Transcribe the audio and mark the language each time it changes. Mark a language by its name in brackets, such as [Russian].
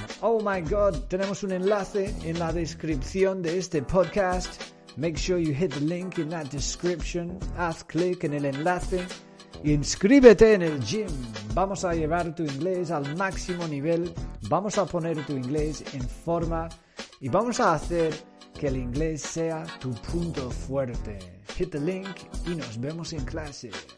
[English] Oh my god, [Spanish] tenemos un enlace en la descripción de este podcast. [English] Make sure you hit the link in that description. [Spanish] Haz click en el enlace. Inscríbete en el gym. Vamos a llevar tu inglés al máximo nivel. Vamos a poner tu inglés en forma. Y vamos a hacer que el inglés sea tu punto fuerte. [English] Hit the link [Spanish] y nos vemos en clase.